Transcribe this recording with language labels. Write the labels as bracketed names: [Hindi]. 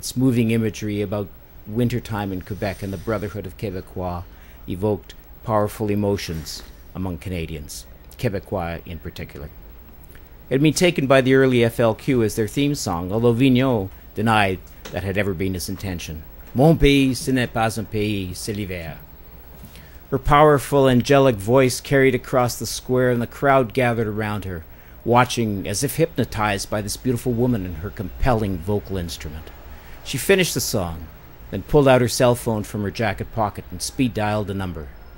[English] Its moving imagery about wintertime in Quebec and the Brotherhood of Québécois evoked powerful emotions among Canadians, Québécois in particular. It had been taken by the early FLQ as their theme song, although Vigneault denied that had ever been his intention. [French] Mon pays, ce n'est pas un pays, c'est l'hiver. [English] Her powerful, angelic voice carried across the square, and the crowd gathered around her, watching as if hypnotized by this beautiful woman and her compelling vocal instrument. She finished the song, then pulled out her cell phone from her jacket pocket and speed-dialed the number.